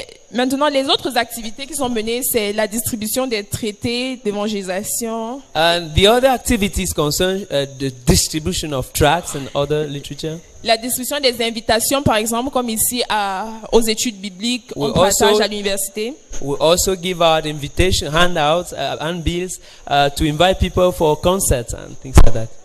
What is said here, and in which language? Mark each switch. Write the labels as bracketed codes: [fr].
[fr] Maintenant, les autres activités qui sont menées, c'est la distribution des traités d'évangélisation. [en] And the other activities concern the distribution of tracts and other literature. [fr] La distribution des invitations, par exemple, comme ici aux études bibliques, au passage à l'université. [en] We also give out invitation handouts, handbills to invite people for concerts and things like that.